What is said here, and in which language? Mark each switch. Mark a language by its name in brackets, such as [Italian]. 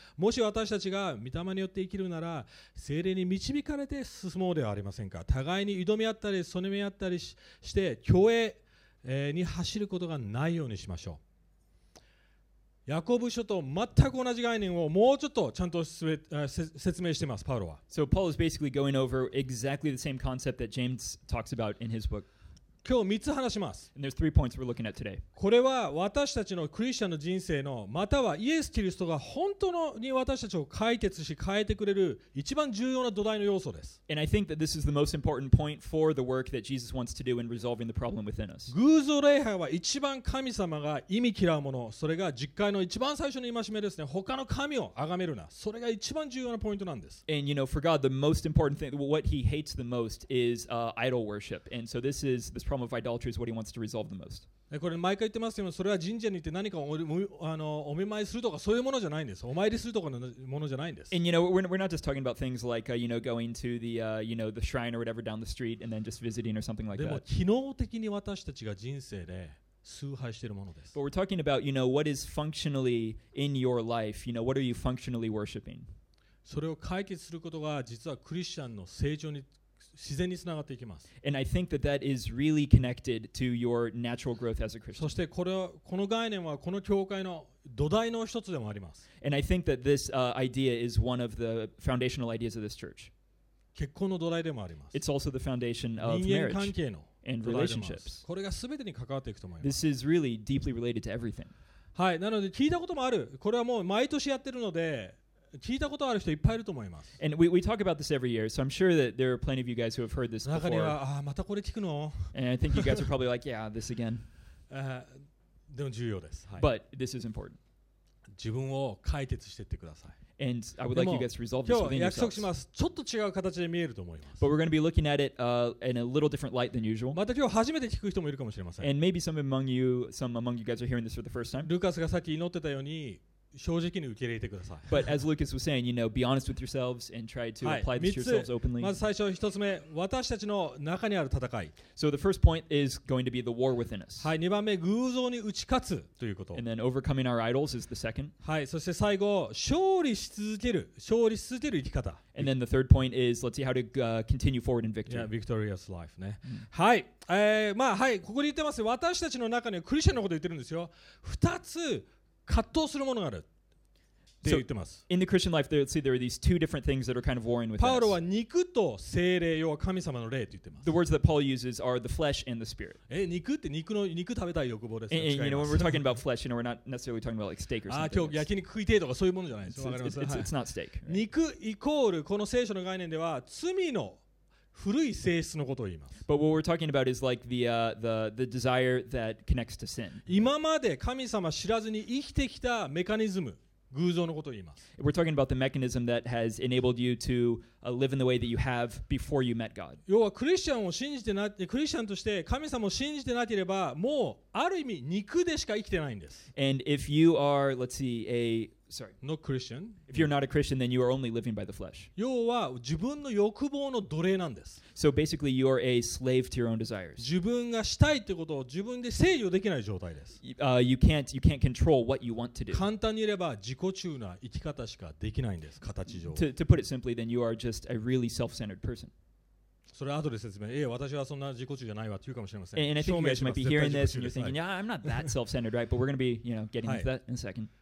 [Japanese] もし私たちが御霊によって生きるなら、聖霊に導かれて進もうではありませんか。互いに挑み合ったり、そねみ合ったり して、虚栄に走ることがないようにしましょう。ヤコブ書と全く同じ概念をもうちょっとちゃんと説明しています、パウロは。 [English] So Paul is basically going over exactly the same concept that James talks about in his book. [Japanese] 今日3つ話します。 [English] And there's three points we're looking at today. [Japanese] これは私たちのクリスチャンの人生の、またはイエス・キリストが本当のに私たちを解決し変えてくれる一番重要な土台の要素です。 [English] And I think that this is the most important point for the work that Jesus wants to do in resolving the problem within us. [Japanese] 偶像礼拝は一番神様が忌み嫌うもの、それが十戒の一番最初の戒めですね。他の神を崇めるな。それが一番重要なポイントなんです。 [English] And you know, for God, the most important thing, what he hates the most is idol worship. And so this is this problem. Of idolatry is what he wants to resolve the most. [Japanese] これ毎回言ってますけど、それは神社に行って何かお見舞いするとかそういうものじゃないんです。お参りするとかのものじゃないんです。 [English] And you know, we're not just talking about things like you know, going to the you know, the shrine or whatever down the street and then just visiting or something like that. [Japanese] でも機能的に私たちが人生で崇拝しているものです。 [English] But we're talking about you know, what is functionally in your life. You know, what are you functionally worshiping? [Japanese] それを解決することが実はクリスチャンの成長に自然につながっていきます。 [English] And I think that that is really connected to your natural growth as a Christian. [Japanese] そしてこれはこの概念はこの教会の土台の一つでもあります。 [English] And I think that this idea is one of the foundational ideas of this church. [Japanese] 結婚の土台でもあります。 [English] It's also the foundation of marriage. [Japanese] 人間関係の土台でもあります。 [English] And relationships. [Japanese] これが全てに関わっていくと思います。 [English] This is really deeply related to everything. [Japanese] はい、なので聞いたこともある。これはもう毎年やってるので。聞いたことある人いっぱいいると思います。 [English] And we talk about this every year, so I'm sure that there are plenty of you guys who have heard this before. [Japanese] 中には、ああ、またこれ聞くの? [English] And I think you guys are probably like, yeah, this again. [Japanese] でも重要です。はい。 [English] But this is important. [Japanese] 自分を解決していってください。 [English] And I would like you guys to resolve this within yourselves. [Japanese] 今日約束します。ちょっと違う形で見えると思います。 [English] But we're going to be looking at it in a little different light than usual. [Japanese] また今日初めて聞く人もいるかもしれません。 [English] And maybe some among you guys are hearing this for the first time. [Japanese] ルカスがさっき祈ってたように正直に受け入れてください。 [English] But as Lucas was saying, you know, be honest with yourselves and try to apply this to yourselves openly. [Japanese] まず最初一つ目、私たちの中にある戦い。 [English] So the first point is going to be the war within us. [Japanese] はい、二番目、偶像に打ち勝つということ。 [English] And then overcoming our idols is the second. [Japanese] はい、そして最後、勝利し続ける生き方。 [English] And then the third point is, let's see how to continue forward in victory. Yeah, victorious life, ね。 [Japanese] はい、まあはい、ここで言ってます。私たちの中にクリスチャンのこと言ってるんですよ。二つ。葛藤するものがあるって言ってます。 [English] So, in the Christian life, there are these two different things that are kind of warring with us. [Japanese] パウロは肉と聖霊、要は神様の霊って言ってます。 [English] The words that Paul uses are the flesh and the spirit. [Japanese] 肉って肉食べたい欲望です。 [English] And you know, when we're talking about flesh, you know, we're not necessarily talking about like steak or something. [Japanese] 今日焼肉食いてとかそういうものじゃないです。 [English] It's not steak. [Japanese] 肉イコールこの聖書の概念では罪の古い性質のことを言います。 [English] But what we're talking about is like the desire that connects to sin. [Japanese] 今まで神様知らずに生きてきたメカニズム、偶像のことを言います。 [English] We're talking about the mechanism that has enabled you to live in the way that you have before you met God. [Japanese] 要はクリスチャンとして神様を信じてなければ、もうある意味肉でしか生きてないんです。 [English] And if you are, let's see, a Sorry. No Christian. If you're not a Christian, then you are only living by the flesh. [Japanese] 要は自分の欲望の奴隷なんです。 [English] So basically, you are a slave to your own desires. [Japanese] 自分がしたいってことを自分で制御できない状態です。 [English] You can't control what you want to do. [Japanese] 簡単に言えば自己中な生き方しかできないんです、形上。 [English] To put it simply, then you are just a really self-centered person. [Japanese] それは後で説明。いや、私はそんな自己中じゃないわというかもしれません。 [English] And I think you guys might be hearing this and you're thinking, yeah, I'm not that self-centered, right? But we're going to be, you know, getting into that in a second.